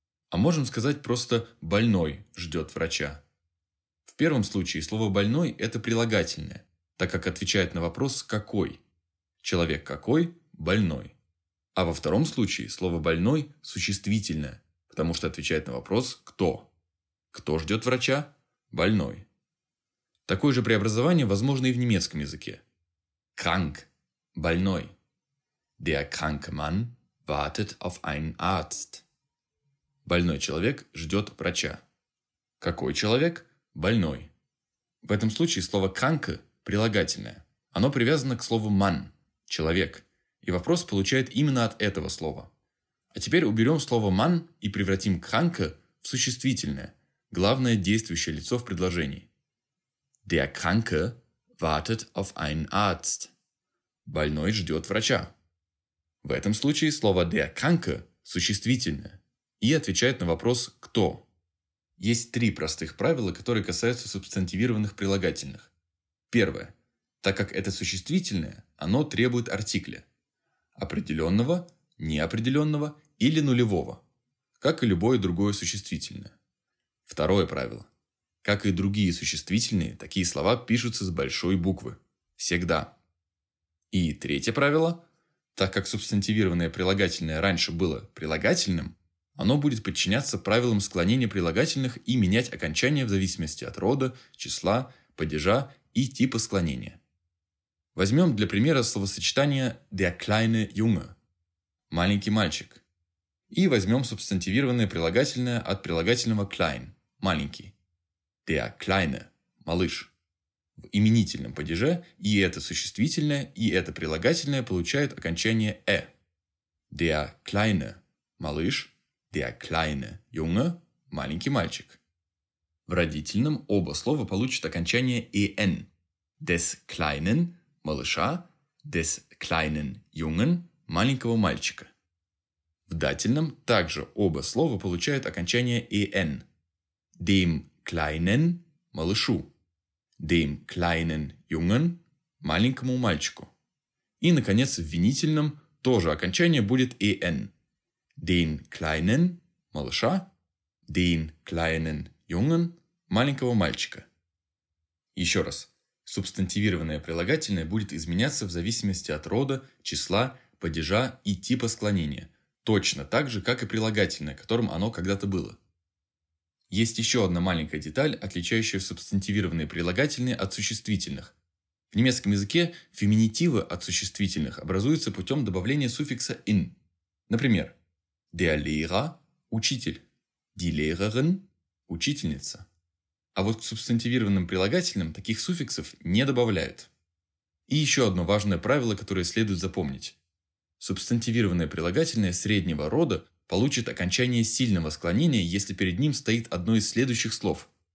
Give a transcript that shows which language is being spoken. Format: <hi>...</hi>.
<ru>А можем сказать просто «больной ждет врача». В первом случае слово «больной» – это прилагательное, так как отвечает на вопрос «какой». Человек какой? Больной. А во втором случае слово «больной» – существительное, потому что отвечает на вопрос «кто». Кто ждет врача? Больной. Такое же преобразование возможно и в немецком языке. Krank – больной.</ru> <de>Der kranke Mann wartet auf einen Arzt.</de> <ru>Больной человек ждет врача. Какой человек? Больной. В этом случае слово «kranke» – прилагательное. Оно привязано к слову «man» – человек. И вопрос получает именно от этого слова. А теперь уберем слово «man» и превратим «kranke» в существительное. Главное действующее лицо в предложении.</ru> <de>Der Kranke wartet auf einen Arzt.</de> <ru>Больной ждет врача. В этом случае слово der Kranke существительное и отвечает на вопрос «кто?». Есть три простых правила, которые касаются субстантивированных прилагательных. Первое. Так как это существительное, оно требует артикля. Определенного, неопределенного или нулевого, как и любое другое существительное. Второе правило. Как и другие существительные, такие слова пишутся с большой буквы. Всегда. И третье правило. Так как субстантивированное прилагательное раньше было прилагательным, оно будет подчиняться правилам склонения прилагательных и менять окончание в зависимости от рода, числа, падежа и типа склонения. Возьмем для примера словосочетание</ru> <de>«der kleine Junge»</de> <ru>– «маленький мальчик». И возьмем субстантивированное прилагательное от прилагательного «klein». Маленький.</ru> <de>Der kleine –</de> <ru>малыш. В именительном падеже и это существительное, и это прилагательное получают окончание «э».</ru> <de>Der kleine –</de> <ru>малыш.</ru> <de>Der kleine – junge –</de> <ru>маленький мальчик. В родительном оба слова получат окончание «en».</ru> <de>Des kleinen –</de> <ru>малыша.</ru> <de>Des kleinen – jungen –</de> <ru>маленького мальчика. В дательном также оба слова получают окончание «en».</ru> <de>Dem kleinen –</de> <ru>малышу.</ru> <de>Dem kleinen jungen –</de> <ru>маленькому мальчику. И, наконец, в винительном тоже окончание будет «en».</ru> <de>Den kleinen –</de> <ru>малыша.</ru> <de>Den kleinen jungen –</de> <ru>маленького мальчика. Еще раз. Субстантивированное прилагательное будет изменяться в зависимости от рода, числа, падежа и типа склонения. Точно так же, как и прилагательное, которым оно когда-то было. Есть еще одна маленькая деталь, отличающая субстантивированные прилагательные от существительных. В немецком языке феминитивы от существительных образуются путем добавления суффикса «in». Например, der Lehrer – учитель, die Lehrerin – учительница. А вот к субстантивированным прилагательным таких суффиксов не добавляют. И еще одно важное правило, которое следует запомнить. Субстантивированное прилагательное среднего рода получит окончание сильного склонения, если перед ним стоит одно из следующих слов.</ru>